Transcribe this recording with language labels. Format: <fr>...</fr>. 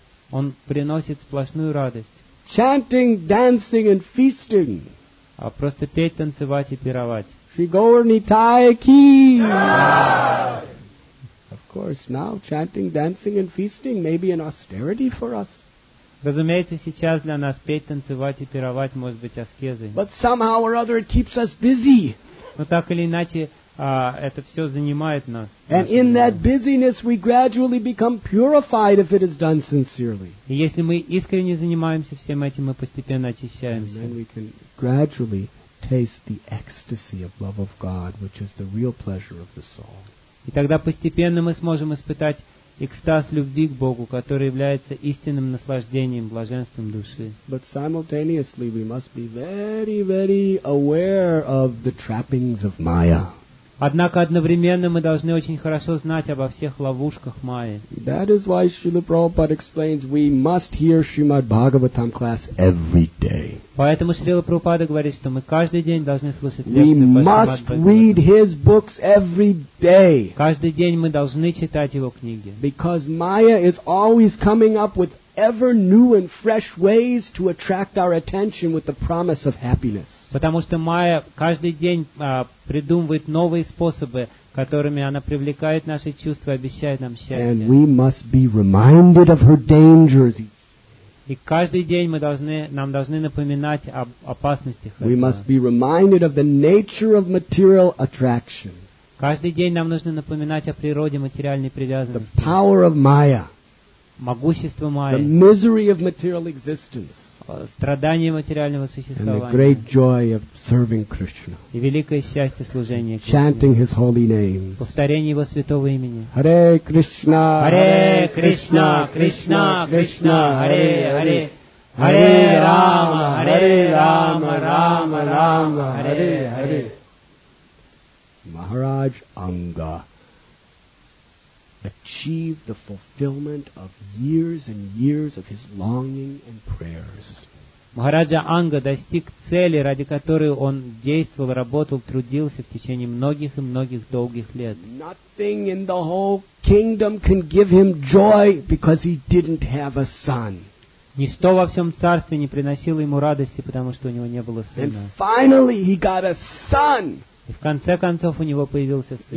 <ru>он приносит сплошную радость.</ru> <en>Chanting, dancing and feasting.</en> <ru>А просто петь, танцевать и пировать. Shri Gaurani Thai Ki.</ru> <en>Of course, now chanting, dancing and feasting may be an austerity for us.</en> <ru>Разумеется, сейчас для нас петь, танцевать и пировать может быть аскезой.</ru> <en>But somehow or other it keeps us busy.</en> <ru>Но так или иначе, это все занимает нас.</ru> <en>And in that busyness we gradually become purified if it is done sincerely.</en> <ru>И если мы искренне занимаемся всем этим, мы постепенно очищаемся.</ru> <en>And then we can gradually taste the ecstasy of love of God, which is the real pleasure of the soul.</en> <ru>И тогда постепенно мы сможем испытать экстаз любви к Богу, который является истинным наслаждением, блаженством души.</ru> <en>But simultaneously we must be very, very aware of the trappings of Maya.</en> <ru>Однако одновременно мы должны очень хорошо знать обо всех ловушках Майи.</ru> <en>That is why Srila Prabhupada explains we must hear Srimad Bhagavatam class every day.</en> <ru>Поэтому Srila Prabhupada говорит, что мы каждый день должны слушать лекции.</ru> <en>We must read his books every day.</en> <ru>Каждый день мы должны читать его книги.</ru> <en>Because Maya is always coming up with ever new and fresh ways to attract our attention with the promise of happiness.</en> <ru>Потому что Майя каждый день придумывает новые способы, которыми она привлекает наши чувства и обещает нам счастье.</ru> <en>And we must be reminded of her dangers.</en> <ru>И каждый день нам должны напоминать об опасностях.</ru> <en>We must be reminded of the nature of material attraction.</en> <ru>Каждый день нам нужно напоминать о природе материальной привязанности.</ru> <en>The power of Maya.</en> <ru>Могущество Майи.</ru> <en>The misery of material existence.</en> <ru>Страдания материального существования.</ru> <en>And the great joy of serving Krishna.</en> <ru>И великое счастье служения Кришне.</ru> <en>Chanting His holy names.</en> <ru>Повторение Его святого имени.</ru> <sa>Hare Krishna. Hare Krishna. Krishna Krishna. Hare Hare. Hare Rama. Hare Rama. Rama Rama. Hare Hare.</sa> <en>Maharaj Anga achieve the fulfillment of years and years of his longing and prayers.</en> <ru>Maharaja Anga достиг цели, ради которой он действовал, работал, трудился в течение многих и многих долгих лет.</ru> <en>Nothing in the whole kingdom can give him joy because he didn't have a son.</en> <ru>Ничто во всем царстве не приносило ему радости, потому что у него не было сына.</ru> <en>And finally he got a son.</en> <ru>И в конце концов у него появился сын.</ru>